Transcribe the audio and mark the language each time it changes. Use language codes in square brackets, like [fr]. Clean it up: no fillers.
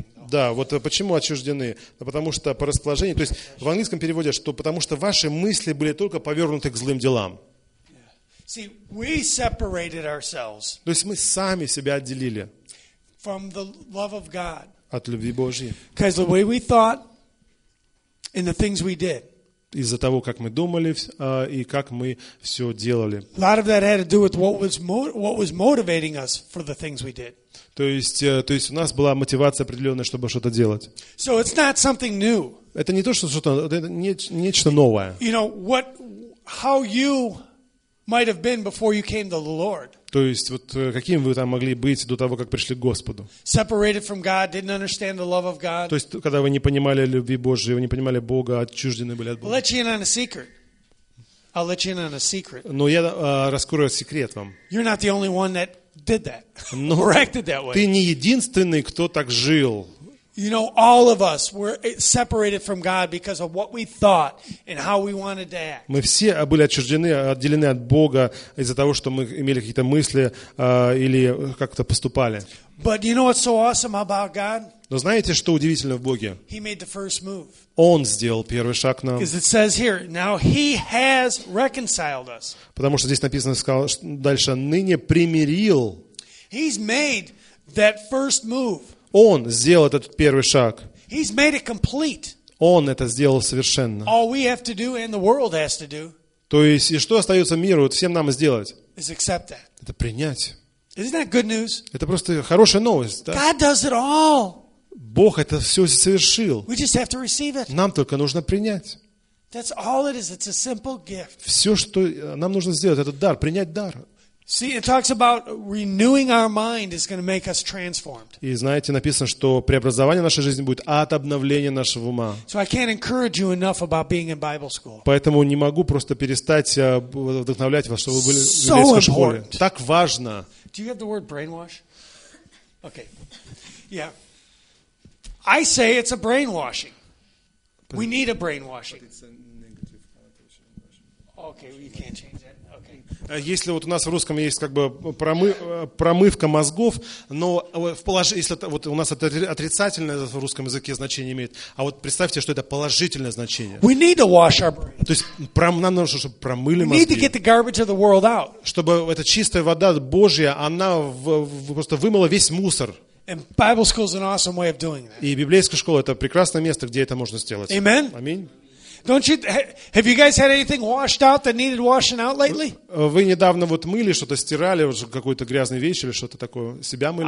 [ru] Да, вот почему отчуждены? Потому что по расположению, то есть в английском переводе, что потому что ваши мысли были только повернуты к злым делам. [en] See, we separated ourselves. [ru] То есть мы сами себя отделили. [en] From the love of God. [ru] От любви Божьей. [en] Because the way we thought and the things we did. [ru] Из-за того, как мы думали и как мы все делали. [en] A lot of that had to do with what was motivating us for the things we did. [ru] То есть у нас была мотивация определенная, чтобы что-то делать. [en] So it's not something new. [ru] Это не то, что что-то, это нечто новое. [en] You know, how you might have been before you came to the Lord. [ru] То есть вот каким вы там могли быть до того, как пришли к Господу. [en] Separated from God, didn't understand the love of God. [ru] То есть когда вы не понимали любви Божьей, вы не понимали Бога, отчуждены были от Бога. [en] I'll let you in on a secret. I'll let you in on a secret. [ru] Но я раскрою секрет вам. [en] You're not the only one that did that. Or acted that way. [ru] Ты не единственный, кто так жил. [en] You know, all of us were separated from God because of what we thought and how we wanted to act. [ru] Мы все были отчуждены, отделены от Бога из-за того, что мы имели какие-то мысли или как-то поступали. [en] But you know what's so awesome about God? [ru] Но знаете, что удивительно в Боге? [en] He made the first move. [ru] Он сделал первый шаг к нам. [en] Because it says here, now He has reconciled us. [ru] Потому что здесь написано, сказал дальше, ныне примирил. [en] He's made that first move. [ru] Он сделал этот первый шаг. [en] He's made it complete. [ru] Он это сделал совершенно. [en] All we have to do and the world has to do. [ru] То есть, и что остается миру, вот всем нам сделать? [en] Is accept that. [ru] Это принять. [en] Isn't that good news? [ru] Это просто хорошая новость, да? [en] God does it all. [ru] Бог это все совершил. [en] We just have to receive it. [ru] Нам только нужно принять. [en] That's all it is. It's a simple gift. [ru] Все, что нам нужно сделать, это дар, принять дар. [en] See, it talks about renewing our mind is going to make us transformed. [ru] И знаете, написано, что преобразование нашей жизни будет от обновления нашего ума. [en] So I can't encourage you enough about being in Bible school. [ru] Поэтому не могу просто перестать вдохновлять вас, чтобы вы были в библейской школе. Так важно. [en] Do you have the word brainwash? Okay. Yeah. I say it's a brainwashing. We need a brainwashing. But it's a negative connotation. Okay, well, you can't change that. [ru] Если вот у нас в русском есть как бы промывка мозгов, но в если это, вот у нас это отрицательное в русском языке значение имеет, а вот представьте, что это положительное значение. [en] We need to wash our brain. [ru] То есть нам нужно, чтобы промыли мозги. [en] We need to get the garbage of the world out. [ru] Чтобы эта чистая вода Божья, она просто вымыла весь мусор. [en] And Bible school is an awesome way of doing that. [ru] И библейская школа это прекрасное место, где это можно сделать. [en] Amen. [ru] Аминь. [en] Don't you have you guys had anything washed out that needed washing out lately? [ru] Вы недавно вот мыли что-то, стирали уже какую-то грязную вещь или что-то такое, себя мыли?